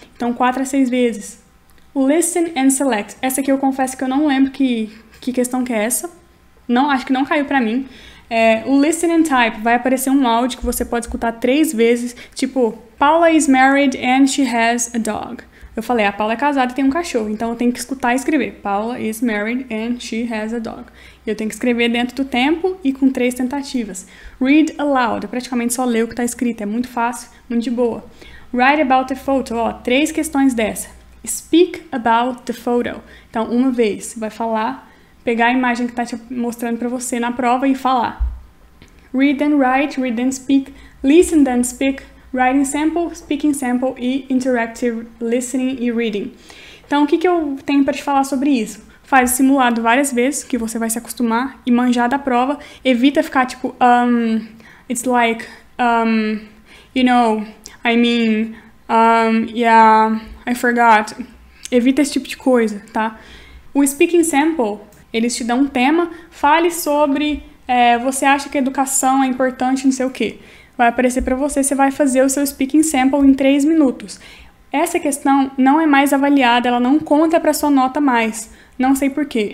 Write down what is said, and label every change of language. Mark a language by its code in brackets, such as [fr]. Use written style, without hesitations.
[pt] Então, 4 a 6 vezes. O Listen and Select, essa aqui eu confesso que eu não lembro que questão que é essa. Não, acho que não caiu para mim. O Listen and Type, vai aparecer um áudio que você pode escutar 3 vezes, tipo, [en] Paula is married and she has a dog. [pt] Eu falei, a Paula é casada e tem um cachorro, então eu tenho que escutar e escrever. [en] Paula is married and she has a dog. [pt] E eu tenho que escrever dentro do tempo e com 3 tentativas. Read aloud, é praticamente só ler o que está escrito, é muito fácil, muito de boa. [en] Write about the photo, [pt] ó, 3 questões dessa. [en] Speak about the photo. [pt] Então, uma vez, vai falar. Pegar a imagem que está te mostrando para você na prova e falar. [en] Read and write, read and speak, listen and speak, writing sample, speaking sample e interactive listening e reading. [pt] Então, o que que eu tenho para te falar sobre isso? Faz o simulado várias vezes, que você vai se acostumar e manjar da prova. Evita ficar tipo, [en] it's like, you know, I mean, yeah, I forgot. [pt] Evita esse tipo de coisa, tá? O speaking sample, eles te dão um tema, fale sobre, você acha que a educação é importante, não sei o quê. Vai aparecer para você, você vai fazer o seu speaking sample em 3 minutos. Essa questão não é mais avaliada, ela não conta para sua nota mais. Não sei por quê.